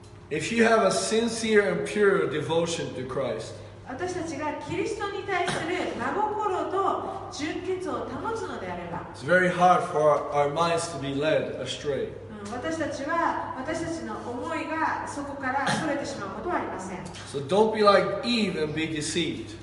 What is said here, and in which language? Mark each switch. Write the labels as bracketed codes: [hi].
[en] If you have a sincere and pure devotion to Christ, it's very hard for our minds to be led astray. [ja] 私たちの思いがそこからそれてしまうことはありません。 [en] So don't be like Eve and be deceived.